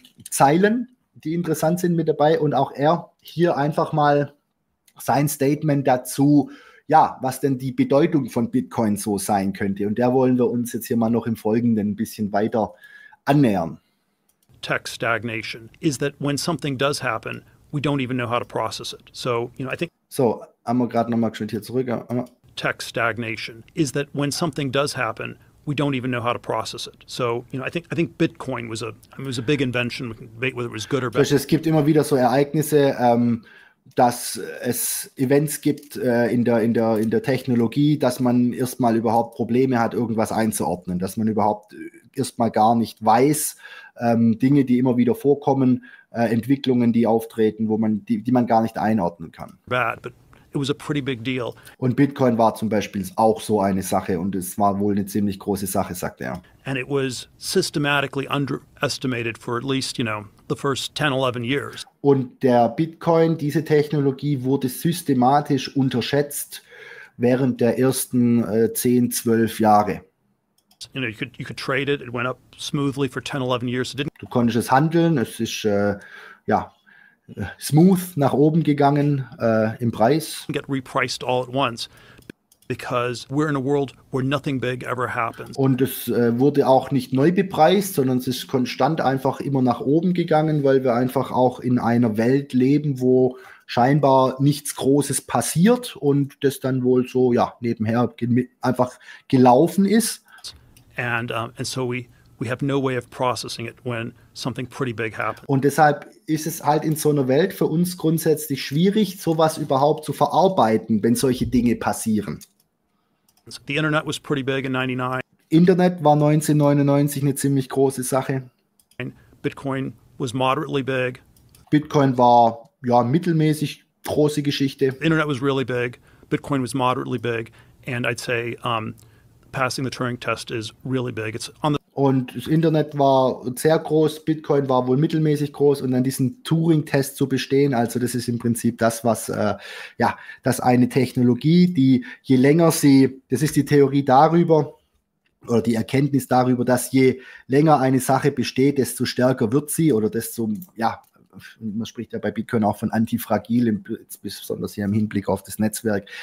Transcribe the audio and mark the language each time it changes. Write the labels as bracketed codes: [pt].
[de] Zeilen, die interessant sind, mit dabei, und auch er hier einfach mal sein Statement dazu, ja, was denn die Bedeutung von Bitcoin so sein könnte, und der wollen wir uns jetzt hier mal noch im Folgenden ein bisschen weiter annähern. [en] Tech stagnation is that when something does happen, we don't even know how to process it. So, you know, I think... [de] So, haben wir gerade nochmal geschwind hier zurück. [en] Tech stagnation is that when something does happen, we don't even know how to process it. So, you know, I think Bitcoin was a big invention. We can debate whether it was good or bad. [de] Es gibt immer wieder so Ereignisse, dass es Events gibt in der Technologie, dass man erstmal überhaupt Probleme hat, irgendwas einzuordnen, dass man überhaupt erstmal gar nicht weiß, Dinge, die immer wieder vorkommen, Entwicklungen, die auftreten, wo man die man gar nicht einordnen kann. [en] Bad, but it was a pretty big deal. [de] Und Bitcoin war zum Beispiel auch so eine Sache und es war wohl eine ziemlich große Sache, sagt er. [en] And it was systematically underestimated for at least, you know, the first 10, 11 years. [de] Und der Bitcoin, diese Technologie wurde systematisch unterschätzt während der ersten 10, 12 Jahre. [en] You know, you could trade it. It went up smoothly for 10, 11 years. It didn't. [de] Du konntest es handeln. Es ist smooth nach oben gegangen im Preis. [en] Get repriced all at once. Because we're in a world where nothing big ever happens. [de] Und es wurde auch nicht neu bepreist, sondern es ist konstant einfach immer nach oben gegangen, weil wir einfach auch in einer Welt leben, wo scheinbar nichts Großes passiert und das dann wohl so nebenher einfach gelaufen ist. [en] And so we have no way of processing it when something pretty big happens. [de] Und deshalb ist es halt in so einer Welt für uns grundsätzlich schwierig, sowas überhaupt zu verarbeiten, wenn solche Dinge passieren. [en] The Internet was pretty big in 99. [de] Internet war 1999 eine ziemlich große Sache. [en] Bitcoin was moderately big. [de] Bitcoin war mittelmäßig große Geschichte. [en] Internet was really big. Bitcoin was moderately big. And I'd say passing the Turing test is really big. It's on the. [de] Und das Internet war sehr groß, Bitcoin war wohl mittelmäßig groß und dann diesen Turing-Test zu bestehen, also das ist im Prinzip das, was, das eine Technologie, die je länger sie, das ist die Theorie darüber oder die Erkenntnis darüber, dass je länger eine Sache besteht, desto stärker wird sie oder desto, man spricht ja bei Bitcoin auch von antifragil, besonders hier im Hinblick auf das Netzwerk.